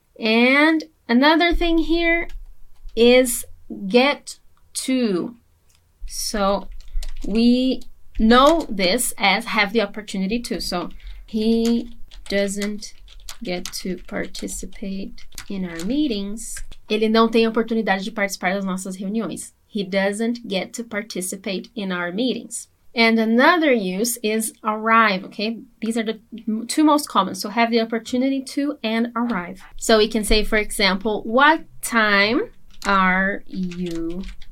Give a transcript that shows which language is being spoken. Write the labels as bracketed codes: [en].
[en] And another thing here is get to. So we know this as have the opportunity to, so he doesn't get to participate in our meetings. [pt] Ele não tem oportunidade de participar das nossas reuniões. [en] He doesn't get to participate in our meetings. And another use is arrive, okay? These are the two most common. So have the opportunity to and arrive. So we can say, for example, what time are you